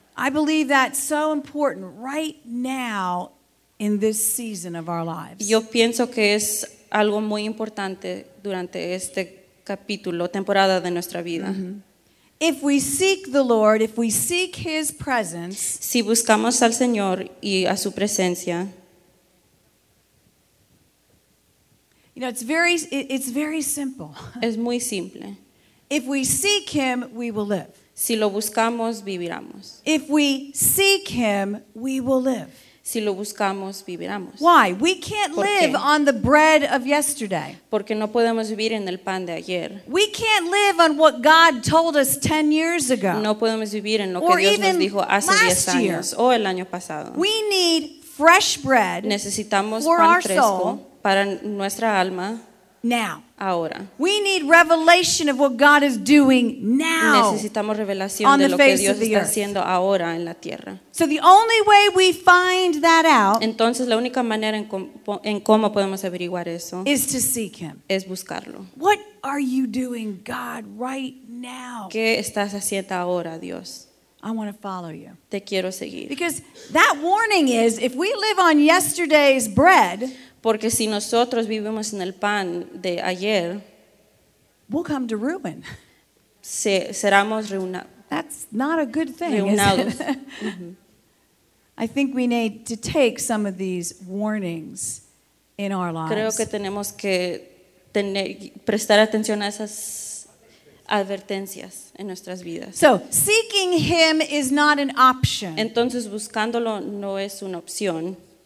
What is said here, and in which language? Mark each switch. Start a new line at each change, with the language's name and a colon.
English: I believe that's so important right now in this season of our lives.
Spanish: Yo pienso que es algo muy importante durante este capítulo, temporada de nuestra vida.
English: Mm-hmm. If we seek the Lord, if we seek His presence,
Spanish: si buscamos al Señor y a su presencia,
English: you know, it's very simple.
Spanish: Es muy simple.
English: If we seek Him, we will live.
Spanish: Si lo buscamos, viviremos.
English: If we seek Him, we will live.
Spanish: Si lo buscamos, viviremos.
English: Why? We can't live on the bread of yesterday.
Spanish: Porque no podemos vivir en el pan de ayer.
English: We can't live on what God told us 10 years ago.
Spanish: No podemos vivir en lo que Dios nos dijo hace 10 años o el año pasado.
English: We need fresh bread.
Spanish: Necesitamos pan fresco para nuestra alma.
English: Now.
Spanish: Ahora.
English: We need revelation of what God is doing now.
Spanish: Necesitamos revelación de lo que Dios está haciendo ahora en la tierra.
English: So the only way we find that out,
Spanish: entonces la única manera en cómo podemos averiguar eso,
English: is to seek Him.
Spanish: Es buscarlo.
English: What are you doing, God, right now?
Spanish: ¿Qué estás haciendo ahora, Dios?
English: I want to follow you.
Spanish: Te quiero seguir.
English: Because that warning is, if we live on yesterday's bread,
Spanish: porque si nosotros vivimos en el pan de ayer,
English: we'll come to ruin.
Spanish: Seremos ruinados.
English: That's not a good thing, is it? I think we need to take some of these warnings in our lives.
Spanish: Creo que tenemos que prestar atención a esas advertencias en nuestras vidas.
English: So, seeking Him is not an option.
Spanish: Entonces, buscándolo no es una opción.